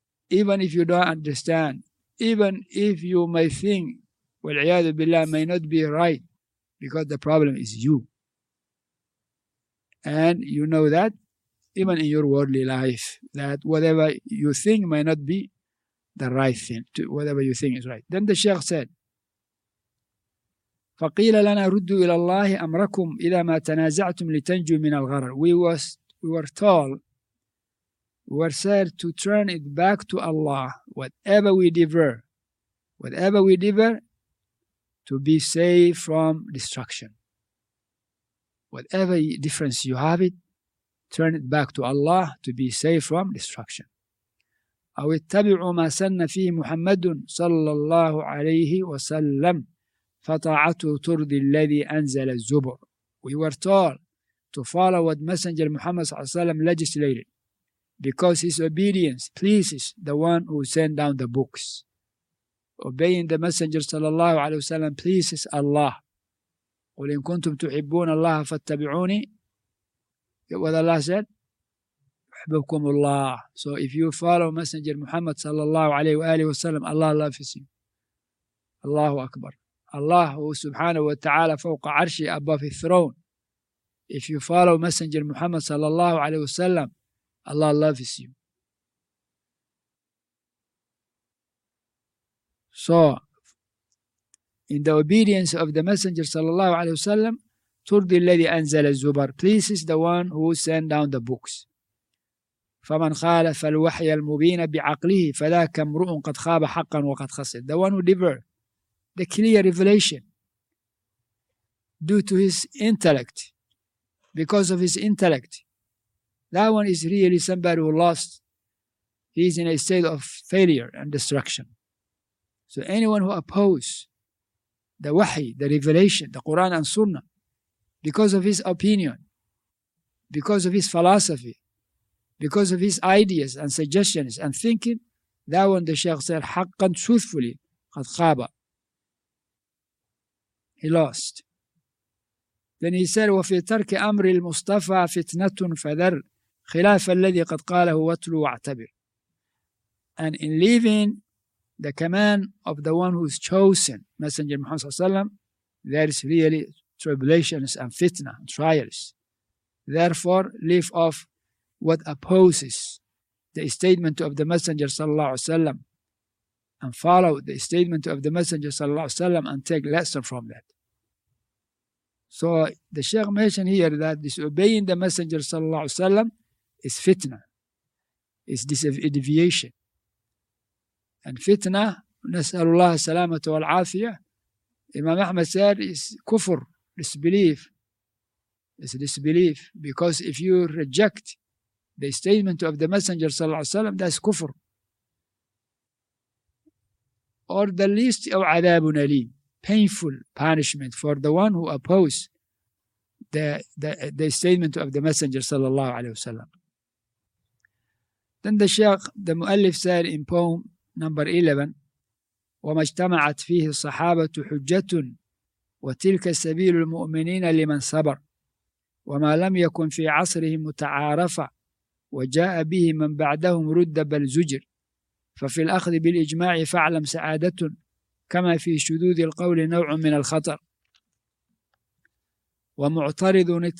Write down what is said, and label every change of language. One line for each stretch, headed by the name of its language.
English: Even if you don't understand, even if you may think,
Arabic: wal-iyadu billah,
English: may not be right, because the problem is you. And you know that, even in your worldly life, that whatever you think may not be the right thing, to whatever you think is right. Then the Shaykh said,
Arabic: فَقِيلَ لَنَا رُدُّ إِلَى اللَّهِ أَمْرَكُمْ إِذَا مَا تَنَازَعْتُمْ لِتَنْجُوا مِنَ الْغَرَرِ.
English: We were told, we were said to turn it back to Allah, whatever we divert, whatever we deliver, to be safe from destruction. Whatever difference you have it, turn it back to Allah to be safe from destruction.
Arabic: أو اتبعوا ما سن فيه محمد صلى الله عليه وسلم فطاعته ترضي الذي أنزل الزبر.
English: We were told to follow what Messenger Muhammad
Arabic: صلى الله عليه وسلم
English: legislated, because his obedience pleases the one who sent down the books. Obeying the Messenger
Arabic: صلى الله عليه وسلم
English: pleases Allah.
Arabic: قل إن كنتم تحبون الله فاتبعوني.
English: What Allah said?
Arabic: أحببكم الله.
English: So if you follow Messenger Muhammad
Arabic: صلى الله عليه وآله وسلم,
English: Allah loves you.
Arabic: الله أكبر. Allah سبحانه وتعالى فوق عرشه
English: above his throne. If you follow Messenger Muhammad
Arabic: صلى الله عليه وسلم,
English: Allah loves you. So in the obedience of the Messenger
Arabic: صلى الله عليه وسلم, ترضي الذي أنزل الزبر,
English: pleases the one who sent down the books.
Arabic: فمن خالف الوحي المبين بعقله فذاك امرؤ قد خاب حقا وقد خسر.
English: The one who delivered the clear revelation due to his intellect, because of his intellect, that one is really somebody who lost. He is in a state of failure and destruction. So anyone who opposes the wahi, the revelation, the Quran and Sunnah, because of his opinion, because of his philosophy, because of his ideas and suggestions and thinking, that one, the Shaykh said,
Arabic: حقاً
English: truthfully,
Arabic: قد خاب.
English: He lost. Then he said,
Arabic: وَفِي تَرْكِ أَمْرِ الْمُصْطَفَى فِتْنَةٌ فَذَرْ خِلَافَ الَّذِي قَدْ قَالَهُ وَاتْلُوا وَاعْتَبِرْ.
English: And in leaving the command of the one who is chosen, Messenger Muhammad ﷺ, there is really tribulations and fitna, and trials. Therefore, leave off what opposes the statement of the Messenger ﷺ, and follow the statement of the Messenger ﷺ, and take lesson from that. So the Shaykh mentioned here that disobeying the Messenger ﷺ is fitna, is deviation. And fitna,
Arabic: نسأل الله السلامة والعافية.
English: Imam Ahmad said, is kufr, disbelief. It's disbelief. Because if you reject the statement of the Messenger
Arabic: صلى الله عليه وسلم,
English: that's kufr. Or the least of
Arabic: عذابٌ أليم,
English: painful punishment for the one who opposed the statement of the Messenger
Arabic: صلى الله عليه وسلم.
English: Then the Shaykh, the Mu'allif said in poem number 11,
Arabic: وَمَا اجْتَمَعَتْ فِيهِ الصَّحَابَةُ حُجَّةٌ وَتِلْكَ سَبِيلُ الْمُؤْمِنِينَ لِمَنْ صَبَرْ وَمَا لَمْ يَكُنْ فِي عَصْرِهِ مُتَعَارَفًا وَجَاءَ بِهِ مَنْ بَعْدَهُمْ رُدَّ بَلْ زُجِرْ فَفِي الْأَخْذِ بِالْإِجْمَاعِ فَعْلَمْ سَعَادَةٌ كَمَا فِي شُذُوذِ الْقَوْلِ نَوْعٌ مِنَ الْخَطَرِ وَمُعْتَرِضٌ